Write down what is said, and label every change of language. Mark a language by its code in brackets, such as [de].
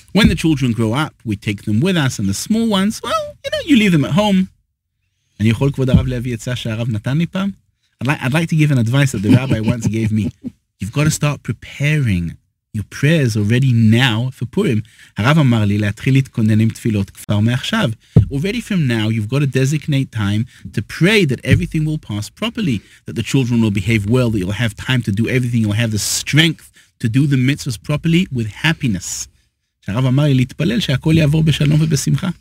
[en] When the children grow up, we take them with us, and the small ones, well, you know, you leave them at home. [he] אני יכול כבוד הרב להביא יצא שהרב נתן לי פעם? [en] I'd like to give an advice that the rabbi once gave me. You've got to start preparing your prayers already now for Purim. [he] הרב אמר לי להתחיל להתכונן עם תפילות כבר מעכשיו. [en] Already from now, you've got to designate time to pray that everything will pass properly, that the children will behave well, that you'll have time to do everything, you'll have the strength to do the mitzvahs properly with happiness. [he] הרב אמר לי להתפלל שהכל יעבור בשלום ובשמחה.